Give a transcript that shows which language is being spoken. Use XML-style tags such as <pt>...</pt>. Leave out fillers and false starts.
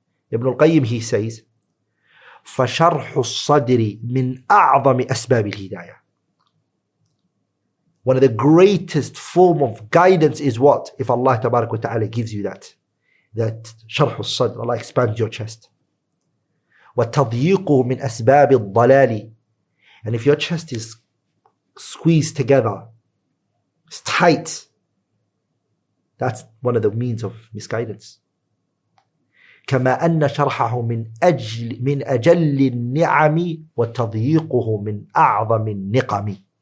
<ar>Ibn al-Qayyim,</ar> <en>he says,</en> <ar>فَشَرْحُ الصَّدْرِ مِنْ أَعْظَمِ أَسْبَابِ الْهِدَايَةِ.</ar> <en>One of the greatest form of guidance is what? If Allah tabarak wa ta'ala gives you that. That</en> <ar>شَرْحُ الصَّدْرِ,</ar> <en>Allah expands your chest.</en> <ar>وَتَضْيِقُهُ مِنْ أَسْبَابِ الضَّلَالِ.</ar> <en>And if your chest is squeezed together, it's tight, that's one of the means of misguidance.</en> <ar>كما أن شرحه من أجل من أجل النعم وتضييقه من أعظم النقم.</ar>